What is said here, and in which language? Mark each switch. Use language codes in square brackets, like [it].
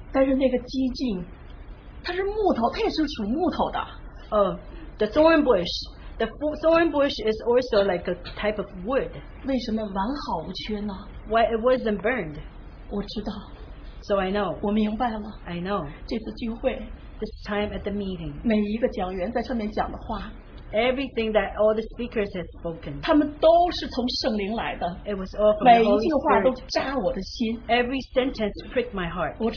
[zh] 但是那个激进, 它是木头, 它也是属木头的, [en] the thorn bush. The thorn bush is also like a type of wood. [zh] 为什么完好无缺呢? [en] Why it wasn't burned? [zh] 我知道, [en] so I know. [zh] 我明白了, [en] I know. [zh] 这次聚会, [en] this time at the meeting, [zh] 每一个讲员在上面讲的话, [en] everything that all the speakers have spoken, [zh] 他们都是从圣灵来的, [en] it was all from the Holy Spirit. Every sentence pricked my heart.